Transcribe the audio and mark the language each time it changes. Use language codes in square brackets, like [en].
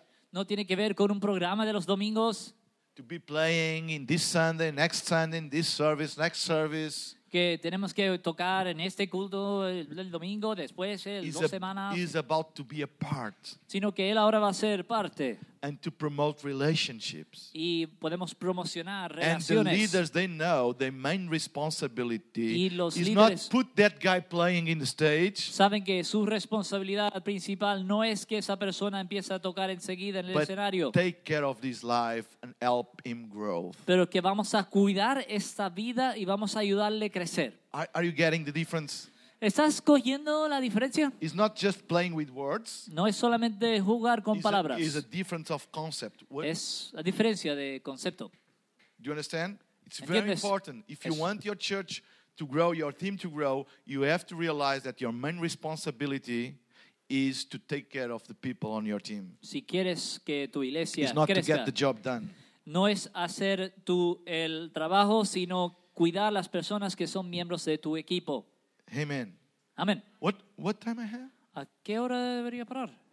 [es] No tiene que ver con un programa de los domingos. [en] To be playing in this Sunday, next Sunday, in this service, next service. [es] Que tenemos que tocar en este culto el domingo, después, dos semanas. [en] He's about to be a part. [es] Sino que él ahora va a ser parte. [en] And to promote relationships. [es] Y podemos promocionar relaciones. [en] And the leaders, they know their main responsibility is not put that guy playing in the stage. [es] Saben que su responsabilidad principal no es que esa persona empiece a tocar enseguida en el escenario. [en] But take care of this life and help him grow. [es] Pero que vamos a cuidar esta vida y vamos a ayudarle a crecer. [en] Are you getting the difference? [es] ¿Estás cogiendo la diferencia? [en] It's not just playing with words. [es] No es solamente jugar con [en] it's [es] palabras. [en] It's a difference of concept. What? [es] Es la diferencia de concepto. [en] Do you understand? It's [es] ¿Entiendes? [en] Very important. If you want your church to grow, your team to grow, you have to realize that your main responsibility is to take care of the people on your team. [es] Si quieres que tu iglesia [en] it's not [es] crezca, [en] to get the job done. [es] No es hacer tú el trabajo, sino cuidar las personas que son miembros de tu equipo. [en] Amen. [es] Amen. [en] What time I have? [es] ¿A qué hora debería parar?